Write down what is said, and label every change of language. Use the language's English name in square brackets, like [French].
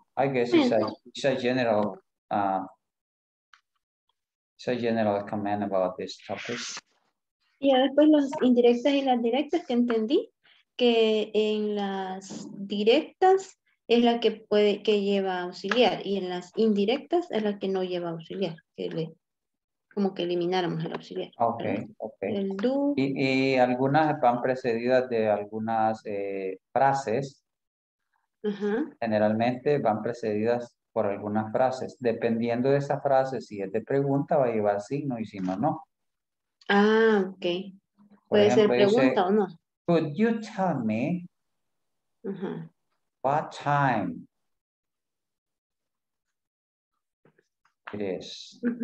[English] I guess it's a general comment about this topic. [Spanish] Yeah, después las indirectas y las directas que entendí que en las directas es la que puede que lleva auxiliar y en las indirectas es la que no lleva auxiliar, que le como que elimináramos el auxiliar. Okay. El do. Y algunas van precedidas de algunas frases. Generalmente van precedidas por algunas frases, dependiendo de esa frase, si es de pregunta va a llevar signo y si no, no. Ah, okay. Puede ser pregunta o no. [English] Could you tell me what time it is?